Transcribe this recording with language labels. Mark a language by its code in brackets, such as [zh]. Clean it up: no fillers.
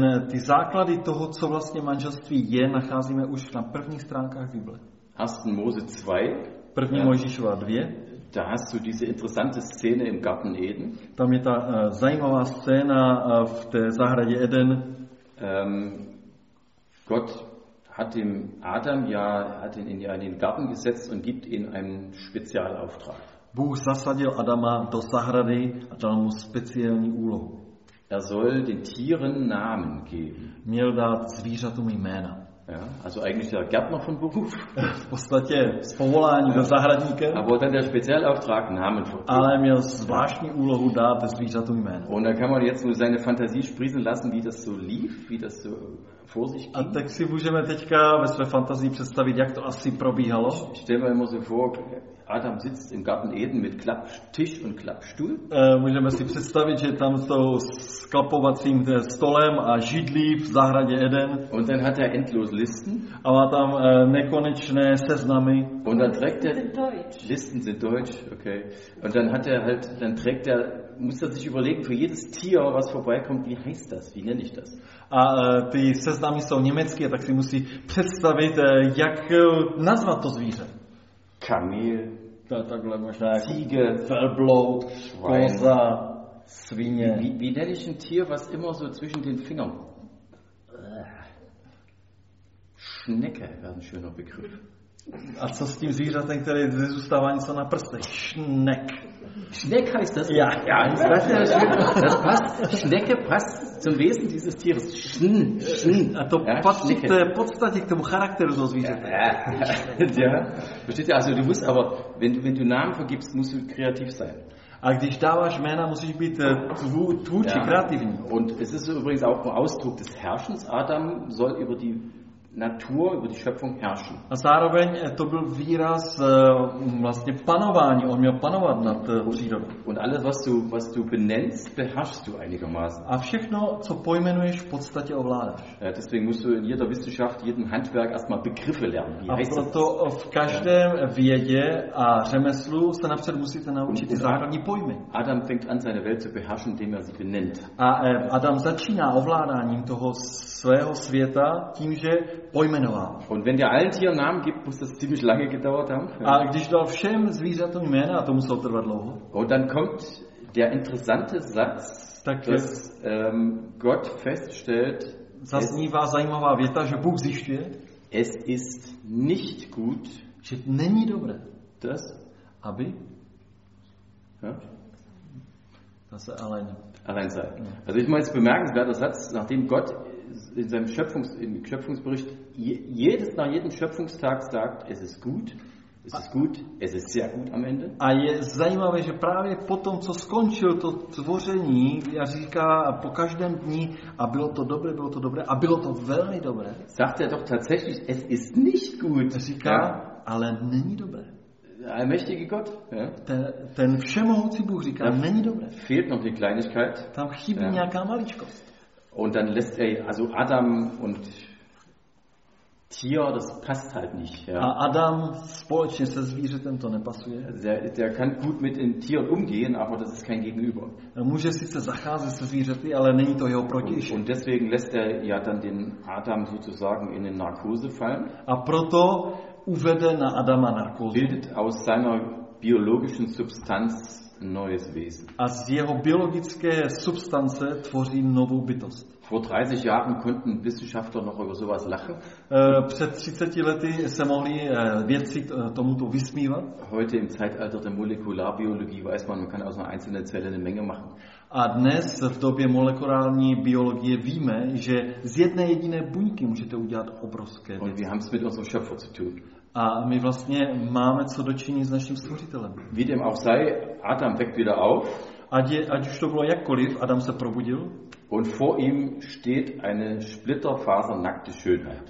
[cs] Ty základy toho, co vlastně manželství je, nacházíme už na prvních stránkách Bible. [de] 1. Mose 2. [cs] 1. Mojžíšova 2. [de] Da hast du diese interessante Szene im Garten Eden. [cs] Tam je ta zajímavá scéna v té zahradě Eden. [de] Gott hat dem Adam ja hat ihn in den Garten gesetzt und gibt ihm einen Spezialauftrag. [cs] Bůh zasadil Adama do zahrady a dal mu speciální úlohu. [de] Er soll den Tieren Namen geben. [cs] Měl dát zvířatům jména. [de] Ja, also eigentlich der Gärtner von Beruf. [cs] V podstatě z povolání do zahradníka. A byl ten [de] der Spezialauftrag Namen verdient. [cs] Ale měl zvláštní úlohu dát zvířatům jména. [de] Und da kann man jetzt nur seine Fantasie sprießen lassen, wie das so lief, wie das so vor sich ging. [cs] A tak si můžeme teďka ve své fantazii představit, jak to asi probíhalo. [de] Stell dir mal vor, Adam sitzt im Garten Eden mit Klapptisch und Klappstuhl. [cs] Můžeme si představit, že tam jsou s klapovacím stolem a židlí v zahradě Eden. [de] Und dann hat er endlos Listen. [cs] A má tam nekonečné seznamy. [de] Und dann trägt er Listen sind deutsch, okay. Und dann hat er halt, dann trägt er, muss er sich überlegen, für jedes Tier, was vorbeikommt, wie heißt das, wie nenne ich das? [cs] A ty seznamy jsou německé, tak si musí představit, jak nazvat to zvíře. [de] Kamel, [cs] takhle možná [de] Ziege, [cs] Verblot, Koza, Svině. [de] Wie nenne ich ein Tier, was immer so zwischen den Fingern? Schnecke wäre ein schöner Begriff. [cs] A co s tím zvířatem, které zůstává něco na prstech? [de] Schneck. Schneck heißt das? Ja, ja. Das passt. Schnecke passt zum Wesen dieses Tieres. [cs] A to [de] ja, passt [cs] k té podstatě, k tomu charakteru toho zvířata. [de] Ja. Versteht ihr? Also du musst aber, wenn du Namen vergibst, musst du kreativ sein. [cs] A když dáváš jména, musíš být tvůrčí, kreativní. [de] Und es ist übrigens auch ein Ausdruck des Herrschens. Adam soll über die Natur über die Schöpfung herrschen. [cs] A zároveň to byl výraz vlastně panování, on měl panovat nad přírodou. [de] Und alles was du benennst, beherrschst du einigermaßen. [cs] A všechno, co pojmenuješ, v podstatě ovládáš. [de] Deswegen musst du in jeder Wissenschaft, jedem Handwerk erstmal Begriffe lernen. [cs] A proto v každém vědě a řemeslu se napřed musíte naučit ty základní pojmy. [de] Adam fängt an seine Welt zu beherrschen, indem er sie benennt. [cs] A Adam začíná ovládáním toho svého světa tím, že pojmenoval. [de] Und wenn der allen Tieren Namen gibt, muss das ziemlich lange gedauert haben. [cs] A když dal všem zvířatům jména, to muselo trvat dlouho. [de] Und dann kommt der interessante Satz, dass Gott feststellt, [cs] zaznívá zajímavá věta, že Bůh zjišťuje, [de] es ist nicht gut, [cs] že není dobré, [de] das, [cs] aby zase alleine. [de] Allein sei. Also ich meine, es bemerkenswerter Satz, nachdem Gott in seinem Schöpfungsbericht jedes nach jedem Schöpfungstag sagt, es ist gut, es ist sehr gut am Ende. [cs] A je zajímavé, že právě po tom, co skončil to tvoření, já říká po každém dní, a bylo to dobré, a bylo to velmi dobré. [de] Sagt er doch tatsächlich, es ist nicht gut. [cs] Říká, ale není dobré. [de] Allmächtige Gott, [cs] ten všemohoucí Bůh říká, není dobré. [de] Fehlt noch die Kleinigkeit. [cs] Tam chybí nějaká maličkost. [de] Und dann lässt er also Adam und Tier, das passt halt nicht. Ja. [cs] A Adam společně se zvířetem to nepasuje. [de] Der kann gut mit den Tieren umgehen, aber das ist kein Gegenüber. [cs] Může sice zacházet se zvířaty, ale není to jeho protějšek. [de] Und deswegen lässt er ja dann den Adam sozusagen in den Narkose fallen. [cs] A proto uvede na Adama narkózu. [de] Bildet aus seiner biologischen Substanz neues Wesen. [cs] A z jeho biologické substance tvoří novou bytost. [de] Vor 30 Jahren konnten Wissenschaftler noch über sowas lachen. [cs] Před 30 lety se mohli vědci tomuto vysmívat. [de] Heute im Zeitalter der Molekularbiologie weiß man kann aus einer einzelnen Zelle eine Menge machen. [cs] A dnes v době molekulární biologie víme, že z jedné jediné buňky můžete udělat obrovské věci. [de] Und wir haben es mit unserem Schöpfer zu tun. [cs] A my vlastně máme co dočinit s naším stvořitelem. [de] Wie dem auch sei, Adam weckt wieder auf. [cs] Ať už to bylo jakkoliv, Adam se probudil. [de] Und vor ihm steht eine splitterfasernackte Schönheit.